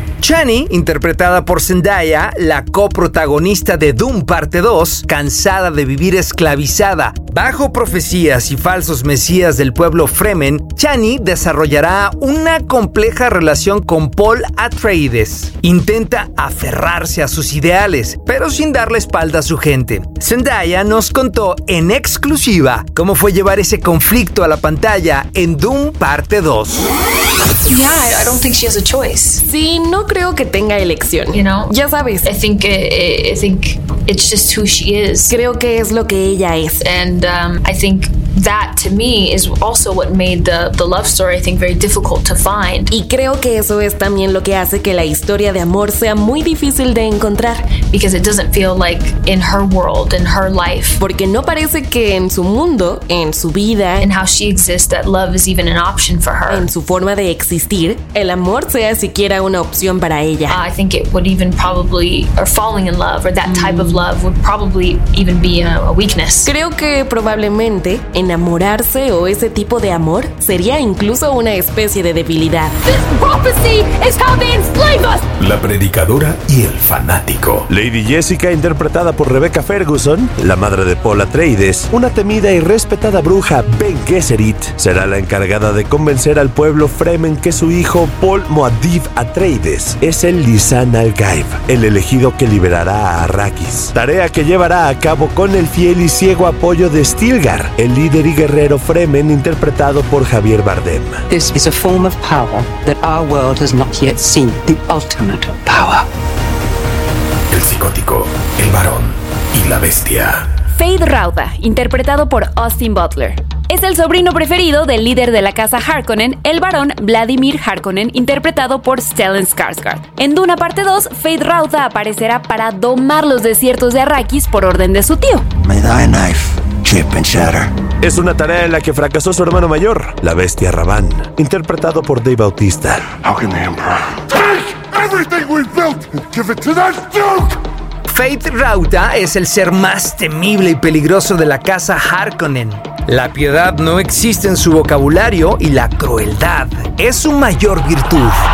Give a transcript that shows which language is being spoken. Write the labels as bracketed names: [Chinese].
[Spanish] Chani, interpretada por Zendaya, la coprotagonista de Doom Parte 2, cansada de vivir esclavizada bajo profecías y falsos mesías del pueblo Fremen, Chani desarrollará una compleja relación con Paul Atreides. Intenta aferrarse a sus ideales, pero sin darle espalda a su gente. Zendaya nos contó en exclusiva cómo fue llevar ese conflicto a la pantalla en Doom Parte 2. [English] Yeah, I don't think she has a choice. [Spanish] Sí, no creo que tenga elección. [English] You know, [Spanish] ya sabes. [English] I think it's just who she is. [Spanish] Creo que es lo que ella es. [English] And I think that to me is also what made the love story, I think, very difficult to find. [Spanish] Y creo que eso es también lo que hace que la historia de amor sea muy difícil de encontrar. [English] Because it doesn't feel like in her world, in her life. [Spanish] Porque no parece que en su mundo, en su vida, [English] and how she exists, that love is even an option for her. [Spanish] En su forma de existir, el amor sea siquiera una opción para ella. [English] I think it would even probably, or falling in love, or that type of love would probably even be a weakness. [Spanish] Creo que probablemente enamorarse o ese tipo de amor sería incluso una especie de debilidad. [English] This prophecy is how they enslave us. [Spanish] La predicadora y el fanático. Lady Jessica, interpretada por Rebecca Ferguson, la madre de Paul Atreides, una temida y respetada bruja, Ben Gesserit, será la encargada de convencer al pueblo Fremen que su hijo Paul Muad'Dib Atreides es el Lysan Al Ghaib, el elegido que liberará a Arrakis. Tarea que llevará a cabo con el fiel y ciego apoyo de Stilgar, el líder y guerrero Fremen interpretado por Javier Bardem. [English] This is a form of power that our world has not yet seen, the ultimate power. [Spanish] El psicótico, el varón y la bestia. Fade Rauda, interpretado por Austin Butler. Es el sobrino preferido del líder de la casa Harkonnen, el barón Vladimir Harkonnen, interpretado por Stellan Skarsgård. En Duna Parte 2, Fade Rauda aparecerá para domar los desiertos de Arrakis por orden de su tío. [English] May thy knife chip and shatter. [Spanish] Es una tarea en la que fracasó su hermano mayor, la bestia Ravan, interpretado por Dave Bautista. [English] How can the Emperor take everything we've built and give it to that Duke? [Spanish] Fade Rauda es el ser más temible y peligroso de la casa Harkonnen. La piedad no existe en su vocabulario y la crueldad es su mayor virtud.